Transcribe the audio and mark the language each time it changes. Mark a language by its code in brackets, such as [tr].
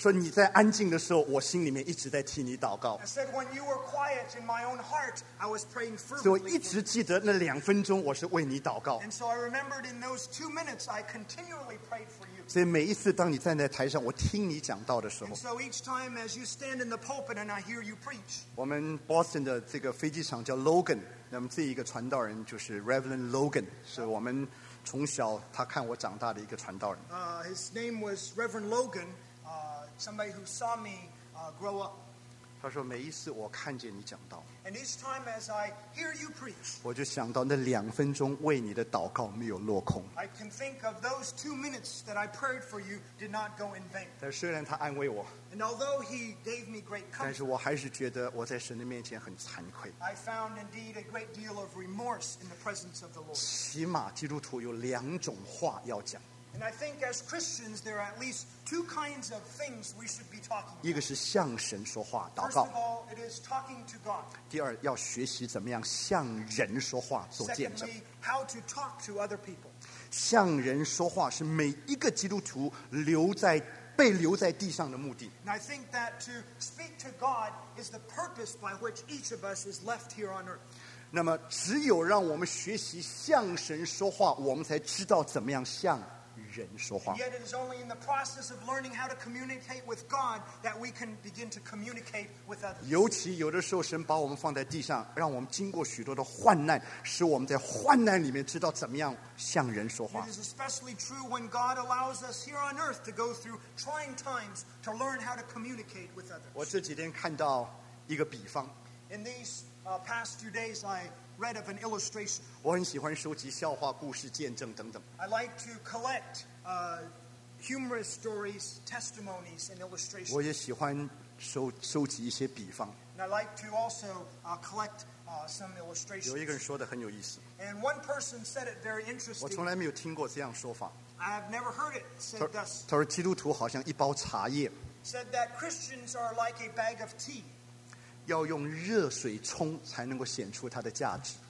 [zh] 说你在安静的时候，我心里面一直在替你祷告。 [en] I said, when you were quiet in my own heart, I was praying fervently. [zh] 所以我一直记得那两分钟，我是为你祷告。 [en] And so I remembered in those 2 minutes, I continually prayed for you. [zh] 所以每一次当你站在台上，我听你讲道的时候。 [en] And so each time as you stand in the pulpit and I hear you preach. [zh] 我们 Boston 的这个飞机场叫 Logan， 那么这一个传道人就是 Reverend Logan， 是我们。从小他看我长大的一个传道人。 [en] His name was Reverend Logan, somebody who saw me grow up. [zh] 他说每一次我看见你讲道。 [en] And each time as I hear you preach, [zh] 我就想到那两分钟为你的祷告没有落空。 [en] I can think of those 2 minutes that I prayed for you did not go in vain. [zh] 但虽然他安慰我。 [en] And although he gave me great comfort, [zh] 但是我还是觉得我在神的面前很惭愧。 [en] I found indeed a great deal of remorse in the presence of the Lord. [zh] 起码基督徒有两种话要讲。 [en] And I think as Christians, there are at least 2 kinds of things we should be talking about. [zh] 一个是向神说话，祷告。 [en] First of all, it is talking to God. [zh] 第二，要学习怎么样向人说话，做见证。 [en] Secondly, how to talk to other people. [zh] 向人说话是每一个基督徒被留在地上的目的。 [en] And I think that to speak to God is the purpose by which each of us is left here on earth. [zh] 那么，只有让我们学习向神说话，我们才知道怎么样向。 [en] Yet it is only in the process of learning how to communicate with God that we can begin to communicate with others. [zh] 尤其有的时候，神把我们放在地上，让我们经过许多的患难，使我们在患难里面知道怎么样向人说话。 [en] It is especially true when God allows us here on earth to go through trying times to learn how to communicate with others. [zh] 我这几天看到一个比方。 [en] In these past few days, I read of an illustration. [zh] 我很喜欢收集笑话、故事、见证等等。 [en] I like to collect humorous stories, testimonies, and illustrations. [zh] 我也喜欢收集一些比方。 [en] And I like to also collect some illustrations. [zh] 有一个人说的很有意思。 [en] And one person said it very interesting. [zh] 我从来没有听过这样说法。 [en] I have never heard it said thus. [zh] 他说基督徒好像一包茶叶。 [en] Said that Christians are like a bag of tea. [zh] 要用热水冲才能够显出它的价值。